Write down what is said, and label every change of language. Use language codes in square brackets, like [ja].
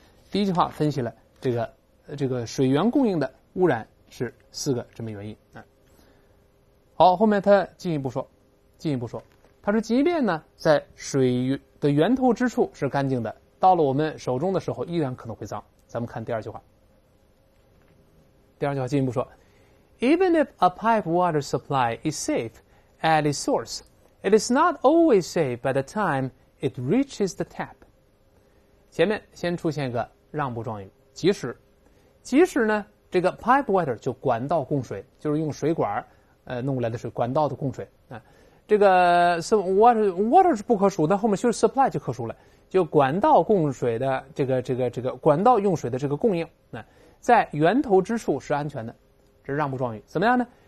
[zh] 第一句话分析了这个水源供应的污染是四个这么原因。好，后面他进一步说。他说即便呢在水的源头之处是干净的，到了我们手中的时候依然可能会脏。咱们看第二句话。第二句话进一步说 [en] Even if a pipe water supply is safe at its source, it is not always safe by the time it reaches the tap. [zh] 前面先出现一个让步状语，即使呢这个 pipe water 就管道供水，就是用水管弄过来的水，管道的供水啊。这个 water 是不可数，但后面就是 supply 就可数了，就管道供水的这个管道用水的这个供应，在源头之处是安全的，这是让步状语。怎么样呢？